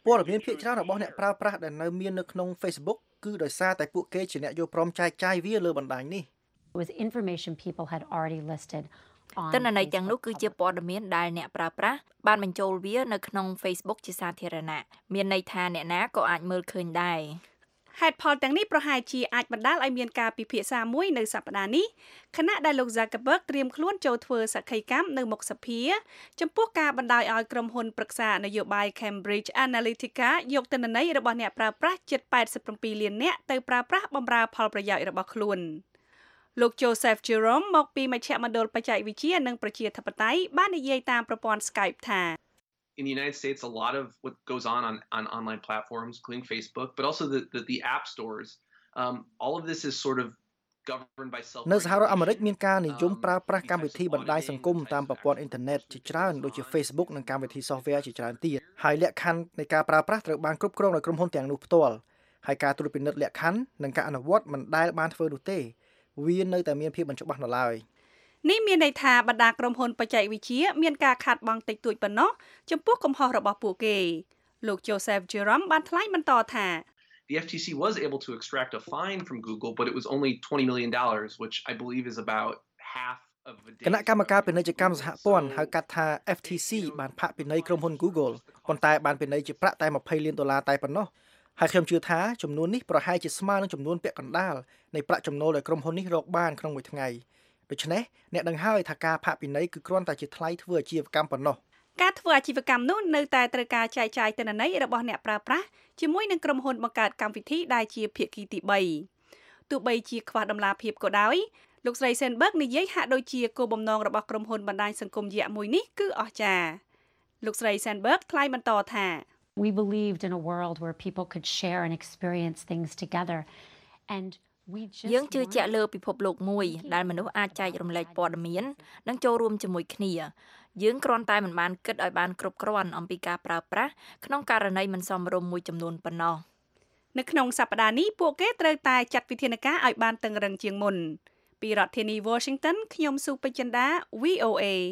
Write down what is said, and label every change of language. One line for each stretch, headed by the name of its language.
Khmer: ព័ត៌មានភាគច្រើនរបស់អ្នកប្រើប្រាស់ដែលនៅមាននៅក្នុង Facebook គឺដោយសារតែពួកគេជាអ្នកយកព្រមចែកចាយវាលើបណ្ដាញនេះ
English: was information people had already listed
Khmer: ទិន្នន័យទាំងនោះគឺជាព័ត៌មានដែលអ្នកប្រើប្រាស់បានបញ្ចូលវានៅក្នុង Facebook ជាសាធារណៈមានន័យថាអ្នកណាក៏អាចមើលឃើញដែរ ហេតុផលទាំងនេះប្រហែលជាអាចបណ្ដាលឲ្យមានការពិភាក្សាមួយនៅសប្ដាហ៍នេះខណៈដែលលោក Zuckerberg ត្រៀមខ្លួនចូលធ្វើសក្ខីកម្មនៅមុខសភាចំពោះការបណ្ដាយឲ្យក្រុមហ៊ុនប្រឹក្សានយោបាយ Cambridge Analytica យកទិន្នន័យរបស់អ្នកប្រើប្រាស់ជិត87លាននាក់ទៅប្រើប្រាស់បម្រើផលប្រយោជន៍របស់ខ្លួនលោក Joseph Jerome មកពីមជ្ឈមណ្ឌលបច្ចេកវិទ្យានិងប្រជាធិបតេយ្យបាននិយាយតាមប្រព័ន្ធ Skype ថា
English: In the United States, a lot of what goes on online platforms, including Facebook, but also the app stores, all of this is sort of governed by self-regulation.
Khmer: នៅសហរដ្ឋអាមេរិកមានការនិយមប្រើប្រាស់កម្មវិធីបណ្ដាញសង្គមតាមប្រព័ន្ធអ៊ីនធឺណិតជាច្រើនដូចជា Facebook និងកម្មវិធី software ជាច្រើនទៀតហើយលក្ខខណ្ឌនៃការប្រើប្រាស់ត្រូវបានគ្រប់គ្រងដោយក្រុមហ៊ុនទាំងនោះផ្ទាល់ហើយការត្រួតពិនិត្យលក្ខខណ្ឌនិងការអនុវត្តមិនដែលបានធ្វើនោះទេវានៅតែមានភាពមិនច្បាស់នៅឡើយ នេះមានន័យថាបណ្ដាក្រុមហ៊ុនបច្ចេកវិទ្យាមានការខាតបង់តិចតួចប៉ុណ្ណោះចំពោះកំហុសរបស់ពួកគេលោក Joseph Jerome បានថ្លែងបន្តថា
English: The FTC was able to extract a fine from Google but it was only $20 million which I believe is about half of a
Khmer: គណៈកម្មការពិន័យកម្មសហព័ន្ធហៅកាត់ថា FTC បានផាកពិន័យក្រុមហ៊ុន Google ប៉ុន្តែបានពិន័យជាប្រាក់តែ20លានដុល្លារតែប៉ុណ្ណោះហើយខ្ញុំជឿថាចំនួននេះប្រហែលជាស្មើនឹងចំនួនពាក់កណ្ដាលនៃប្រាក់ចំណូលដែលក្រុមហ៊ុននេះរកបានក្នុងមួយថ្ងៃដូច្នេះអ្នកដឹងហើយថាការផាកពិន័យគឺគ្រាន់តែជាថ្លៃធ្វើអាជីវកម្មប៉ុណ្ណោះ ការធ្វើអាជីវកម្មនោះនៅតែត្រូវការចែកចាយទិន្នន័យរបស់អ្នកប្រើប្រាស់ជាមួយនឹងក្រុមហ៊ុនបង្កើតកម្មវិធីដែលជាភាគីទី3ទោះបីជាខ្វះដំណាភៀបក៏ដោយលោកស្រី Sandberg និយាយហាក់ដូចជាគោលបំណងរបស់ក្រុមហ៊ុនបណ្ដាញសង្គមយក្សមួយនេះគឺអស្ចារ្យលោកស្រី Sandberg ថ្លែងបន្តថា
English: We believed in a world where people could share and experience things together and
Khmer: យើងជឿជាក់លើពិភពលោកមួយដែលមនុស្សអាចចែករំលែកព័ត៌មាននិងចូលរួមជាមួយគ្នាយើងគ្រាន់តែមិនបានគិតឲ្យបានគ្រប់គ្រាន់អំពីការប្រើប្រាស់ក្នុងករណីមិនសមរម្យមួយចំនួនប៉ុណ្ណោះ នៅក្នុងសប្តាហ៍នេះពួកគេត្រូវតែចាត់វិធានការឲ្យបានតឹងរឹងជាងមុនពីរដ្ឋធានី Washington ខ្ញុំស៊ូពេជ្រចិន្តា VOA